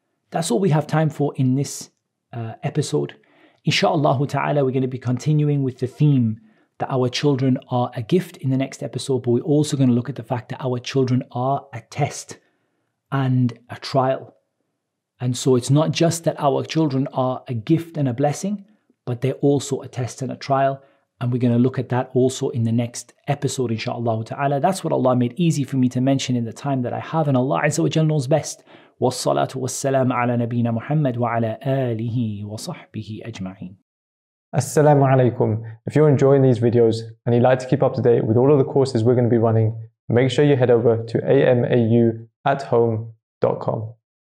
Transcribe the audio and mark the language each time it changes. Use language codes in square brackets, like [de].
[en] That's all we have time for in this episode. Insha'Allah ta'ala, we're going to be continuing with the theme that our children are a gift in the next episode, but we're also going to look at the fact that our children are a test and a trial. And so it's not just that our children are a gift and a blessing, but they're also a test and a trial. And we're going to look at that also in the next episode, insha'Allah ta'ala. That's what Allah made easy for me to mention in the time that I have, and Allah Azza wa Jalla knows best. [ar] والصلاة والسلام على نبينا محمد وعلى آله وصحبه أجمعين. السلام عليكم. [en] If you're enjoying these videos and you'd like to keep up to date with all of the courses we're going to be running, make sure you head over to amauathome.com.